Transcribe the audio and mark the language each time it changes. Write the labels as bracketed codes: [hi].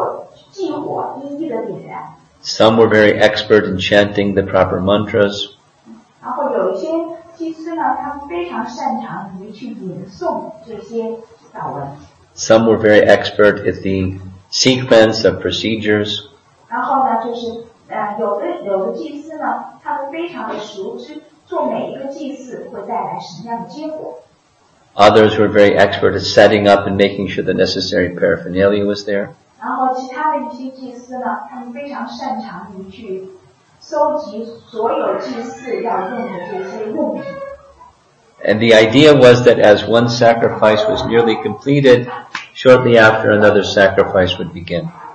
[zh] 然后呢，就是不同的祭司，他们就是扮演，就是完成自己的活动，能够就是把这个祭火一一的点燃。 [en] Some were very expert in chanting the proper mantras. [zh] 然后有一些祭司呢，他们非常擅长于去吟诵这些祷文。 [en] Some were very expert at the sequence of procedures. [zh] 然后呢，就是有的祭司呢，他们非常的熟知做每一个祭祀会带来什么样的结果。 [en] Others were very expert at setting up and making sure the necessary paraphernalia was there. [zh] 然后其他的一些祭司呢，他们非常擅长于去搜集所有祭祀要用的这些物品。 [en] And the idea was that as one sacrifice was nearly completed, shortly after another sacrifice would begin.